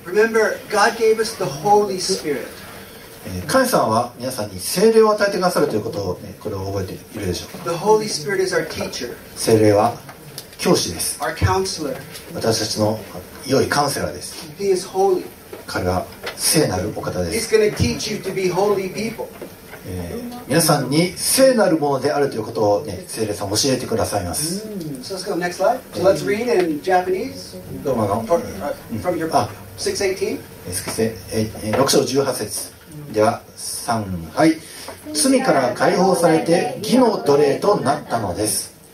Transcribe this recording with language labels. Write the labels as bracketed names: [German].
[English] Remember, God gave us the Holy Spirit. [Japanese] 神様は皆さんに聖霊を与えてくださるということを、ね、これを覚えているでしょうか。 [English] The Holy Spirit is our teacher. [Japanese] 聖霊は教師です。 [English] Our counselor. [Japanese] 私たちの良いカウンセラーです。 [English] He is holy. [Japanese] 彼は聖なるお方です。 [English] He's going to teach you to be holy people. [Japanese] 皆さんに聖なるものであるということを、ね、聖霊さん教えてくださいます。 [English] So let's go next slide. So let's read in Japanese. [Japanese] どうもの。 [English] From your 618. [Japanese] 6章18節。では3。はい。罪から解放されて義の奴隷となったのです。